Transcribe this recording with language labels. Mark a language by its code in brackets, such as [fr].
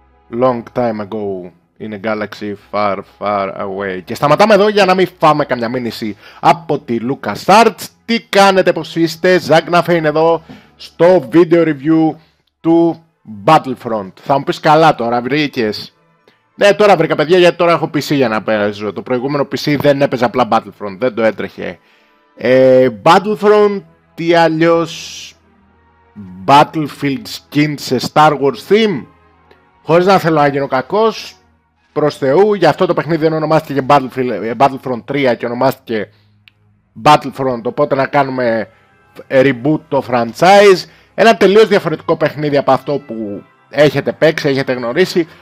[en] Long time ago in a galaxy far, far away. [el] Και σταματάμε εδώ για να μην φάμε καμιά μήνυση από τη LucasArts. Τι κάνετε, πώς είστε? Ζάγναφε είναι εδώ στο video review του Battlefront. Θα μου πεις, καλά τώρα βρήκες? Ναι, τώρα βρήκα, παιδιά, γιατί τώρα έχω PC για να παίζω. Το προηγούμενο PC δεν έπαιζε απλά Battlefront, δεν το έτρεχε. Battlefront, τι αλλιώς Battlefield skin σε Star Wars theme. Χωρίς να θέλω να γίνω κακός, προς Θεού, γι' αυτό το παιχνίδι δεν ονομάστηκε Battlefront 3 και ονομάστηκε Battlefront, οπότε να κάνουμε reboot το franchise. Ένα τελείως διαφορετικό παιχνίδι από αυτό που έχετε παίξει, έχετε γνωρίσει.